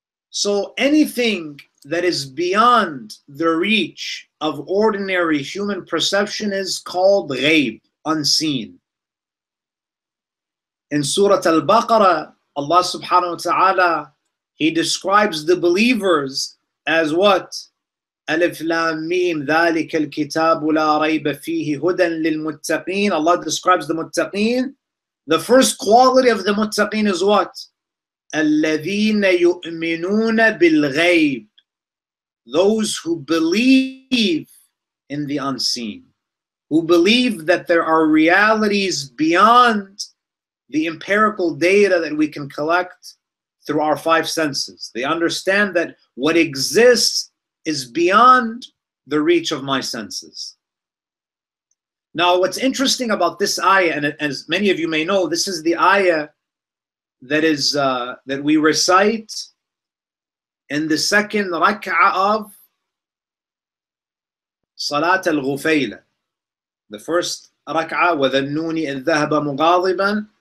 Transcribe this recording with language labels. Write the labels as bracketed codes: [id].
[en] So anything that is beyond the reach of ordinary human perception is called ghayb, unseen. In Surah Al-Baqarah, Allah subhanahu wa ta'ala, he describes the believers as what? [ar] Alif lam mim, ذَلِكَ الْكِتَابُ لَا رَيْبَ فِيهِ هُدًى لِلْمُتَّقِينَ. [en] Allah describes the muttaqeen. The first quality of the muttaqeen is what? [ar] الَّذِينَ يُؤْمِنُونَ بِالْغَيْبِ. [en] Those who believe in the unseen, who believe that there are realities beyond the empirical data that we can collect through our five senses. They understand that what exists is beyond the reach of my senses. Now, what's interesting about this ayah, and as many of you may know, this is the ayah that is that we recite in the second rak'ah of Salat al-Ghufayla. The first rak'ah, [ar] وَذَنُّونِ إِذْ ذَهَبَ مُغَاضِبًا.